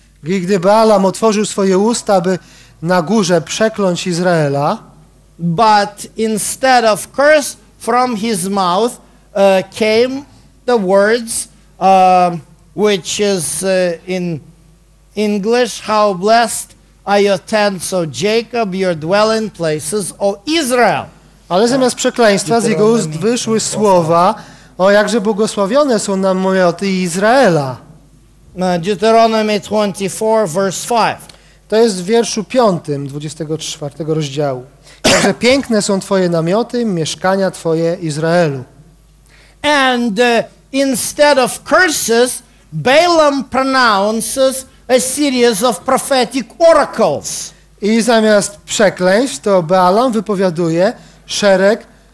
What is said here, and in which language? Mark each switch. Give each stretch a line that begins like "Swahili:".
Polish: Gdy Balaam otworzył swoje usta, by na górze przekląć Izraela,
English: but instead of curse from his mouth came the words which is in English, how blessed are your tents, O Jacob, your dwelling places, O Israel.
Polish: Ale zamiast przekleństwa z jego ust wyszły słowa, o jakże błogosławione są namioty Izraela.
English: Deuteronomy 24, verse 5.
Polish: To jest w wierszu 5, 24 rozdziału. Jakże piękne są twoje namioty, mieszkania twoje, Izraelu.
English: And instead of curses, Balaam pronounces a series of prophetic oracles.
Polish: I zamiast przekleństw, to Balaam wypowiaduje szereg